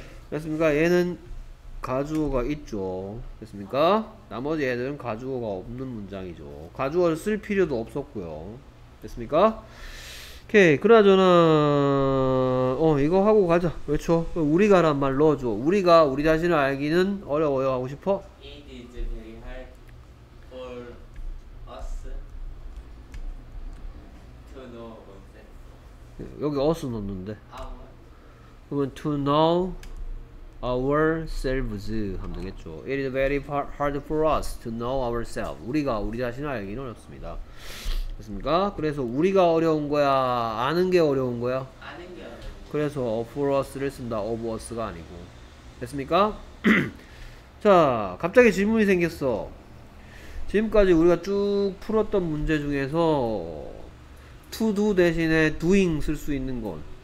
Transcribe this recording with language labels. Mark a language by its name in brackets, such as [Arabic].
[Korean] 됐습니까? 얘는 가주어가 있죠. 됐습니까? 나머지 애들은 가주어가 없는 문장이죠. 가주어를 쓸 필요도 없었고요. 됐습니까? 오케이. 그나저나 이거 하고 가자. 그렇죠. 우리가란 말 넣어줘. 우리가 우리 자신을 알기는 어려워요 하고 싶어? [English] It is very hard for us to know ourselves. [Korean] 여기 us 넣었는데. [English] Our. [Korean] 그러면 [English] to know ourselves [Korean] 하면 되겠죠. [English] It is very hard for us to know ourselves. [Korean] 우리가 우리 자신을 알기는 어렵습니다. 됐습니까? 그래서 우리가 어려운 거야? 아는 게 어려운 거야? 아는 게 어려운 거야. 그래서 of us를 쓴다. of us가 아니고. 됐습니까? 자, 갑자기 질문이 생겼어. 지금까지 우리가 쭉 풀었던 문제 중에서 to do 대신에 doing 쓸 수 있는 건?